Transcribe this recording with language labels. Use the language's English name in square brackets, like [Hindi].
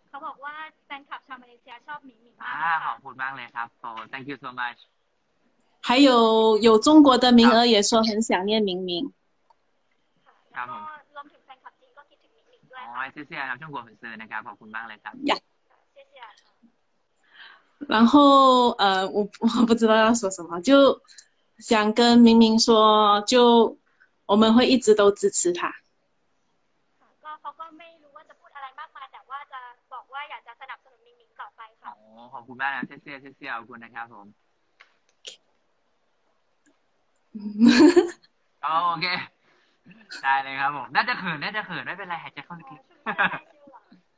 [Thai] เขาบอกว่าแฟนคลับชาวมาเลเซียชอบมิงมิงม าก ขอบคุณมากเลยครับ [English] so thank you so much [Chinese] 还有有中国的名额也说很想念明明 [Thai] ครับผม รวมถึงแฟนคลับจีนก็คิดถึงมิงมิงด้วยอ๋อ เสียเสียครับจงกัวเฟนเซอร์นะครับขอบคุณมากเลยครับ ยะ [Chinese] 然后我不知道要说什么就想跟明明说就我们会一直都支持他 [Thai] ก็เขาก็ไม่รู้ว่าจะพูดอะไรมากมายแต่ว่าจะบอกว่าอยากจะสนับสนุนมิงมิงต่อไปค่ะ อ๋อขอบคุณมากนะเซียเซียเซียขอบคุณนะครับผมโอเคได้เลยครับผมน่าจะเขินน่าจะเขินไม่เป็นไรหายใจเข้าลึกๆยิ่ง